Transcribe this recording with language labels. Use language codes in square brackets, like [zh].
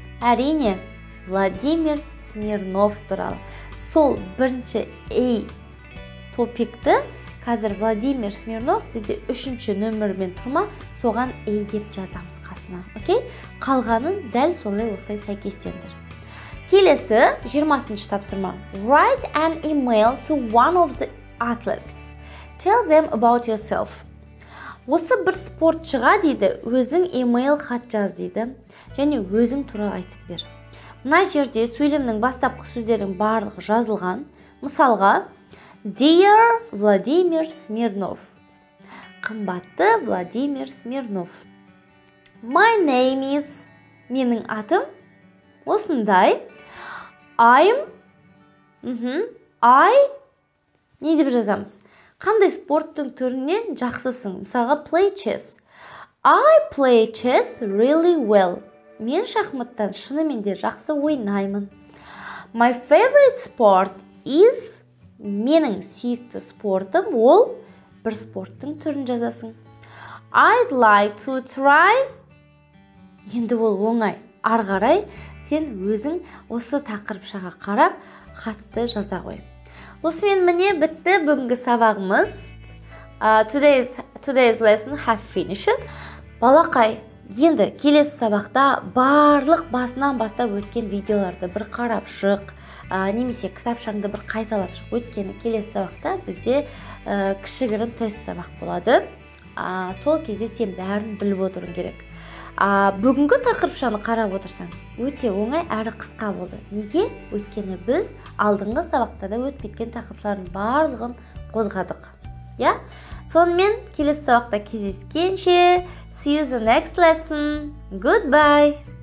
[kk] Әрине, Владимир Смирнов туралы. Сол бірінші A топикті қазір Владимир Смирнов бізде 3-ші нөмірмен тұрма, соған A деп жазамыз қасына. Окей? Қалғанын дәл солай осылай сәйкестендір. Келесі 20-ші тапсырма. [en] Write an email to one of the athletes. Tell them about yourself. [kk] Осы бір спортшыға дейді, өзің email хат жаз дейді, және өзің туралы айтып бер. Мына жерде сөйлемнің бастапқы сөздерінің барлығы жазылған. Мысалға, Dear Владимир Смирнов. Қымбатты Владимир Смирнов. [en] My name is... [kk] Менің атым? Осындай. [en] I'm... I... [kk] Не деп жазамыз? Қандай спорттың түрінен жақсысың? Мысалға, [en] play chess. I play chess really well. [kk] Мен шахматтан шынымен де жақсы ойнаймын. [en] My favorite sport is... [kk] Менің сүйікті спортым ол... Бір спорттың түрін жазасың. [en] I'd like to try... [kk] Енді ол оңай. Арғарай, сен өзің осы тақырыпшаға қарап, хатты жаза ғой. Осымен міне бітті бүгінгі сабағымыз. [en] today's lesson have finished. [kk] Балақай, енді келесі сабақта барлық басынан бастап өткен видеоларды бір қарап шық. Немесе кітапшаңды бір қайталап шық. Өткені келесі сабақта бізде кішігірім тест сабақ болады. Сол кезде сен бәрін біліп отыруң керек. Бүгінгі тақырыпшаны қарап отырсаң, өте оңай әрі қысқа болды. Неге? Өткені біз алдыңғы сабақта да өтіп кеткен тақырыптардың барлығын қозғадық. Иә? Сонымен келесі сабақта кездескенше, [en] see you the next lesson. Goodbye.